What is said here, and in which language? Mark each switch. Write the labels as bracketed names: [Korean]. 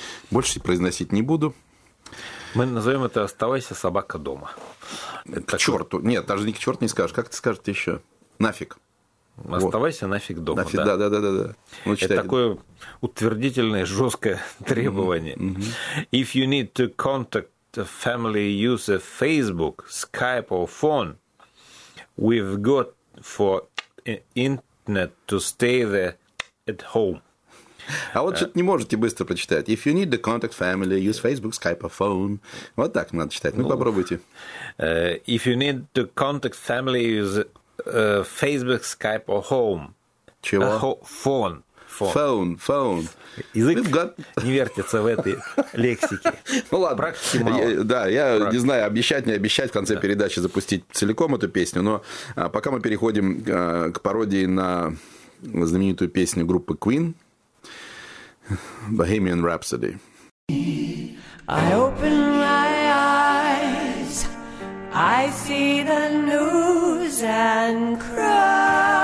[Russian] Больше произносить не буду. Мы назовем это «Оставайся, собака, дома». Это к такой... черту. Нет, даже не к черту не скажешь. Как ты скажешь еще? Нафиг. «Оставайся, вот. Нафиг, дома». Нафиг, да, да, да. Да, да. Ну, это такое утвердительное, жесткое требование. [English] If you need to contact the family, use a Facebook, Skype or phone. We've got for internet to stay there at home. [Russian] А вот что-то не можете быстро прочитать. [English] If you need to contact family, use Facebook, Skype or phone. [Russian] Вот так надо читать. Ну, ну попробуйте. [English] If you need to contact family, use Facebook, Skype or home. [Russian] Чего? [English] Phone. Phone, phone. [Russian] Язык got... не вертится в этой лексике. Ну ладно. Практики мало. Да, я не знаю, обещать, не обещать в конце передачи запустить целиком эту песню, но пока мы переходим к пародии на знаменитую песню группы Queen, Bohemian Rhapsody. [English] I open my eyes, I see the news and cry.